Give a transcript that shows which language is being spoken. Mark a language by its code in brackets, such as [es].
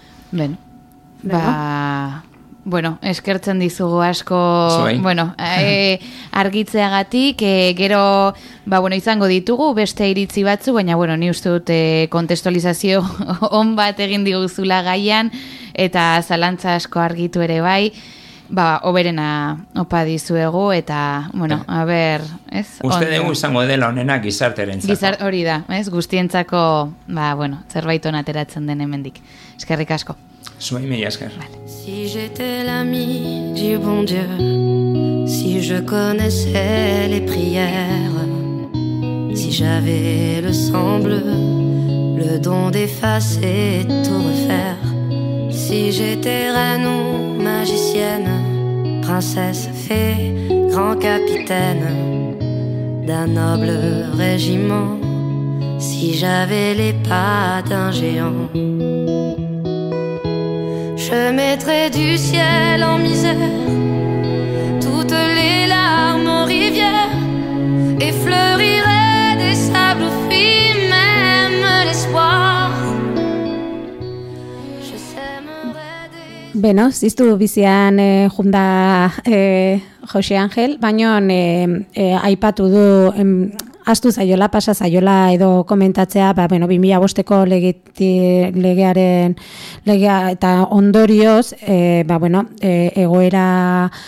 [eu] Ben, ba... Bueno, eskertzen dizugu asko, bueno, argitzeagatik, gero, ba, bueno, izango ditugu, beste iritzi batzu, baina, bueno, ni uste dut kontestualizazio on bat egin diguzula gaian, eta zalantza asko argitu ere bai, ba, oberena opa dizuegu, eta, bueno, a ber, ez? Uste dugu izango dela onena gizarterentzako. Gizart, hori da, ez? Guztientzako, ba, bueno, zerbait on ateratzen den hemendik. Eskerrik asko. [fr] Si j'étais l'ami du bon Dieu, si je connaissais les prières, si j'avais le sang bleu, le don d'effacer tout refaire, si j'étais reine ou magicienne, princesse, fée, grand capitaine d'un noble régiment, si j'avais les pas d'un géant. Je mettrai du ciel en misère toutes les larmes aux rivières et fleurirai des sables fins même l'espoir. Je sèmerai des... [eu] Beno, ziztu bizian junda Jose Angel, baino aipatu du astu zaiola, pasa zaiola edo komentatzea, ba, bueno, 2005-eko legearen legea eta ondorioz, ba, bueno, egoera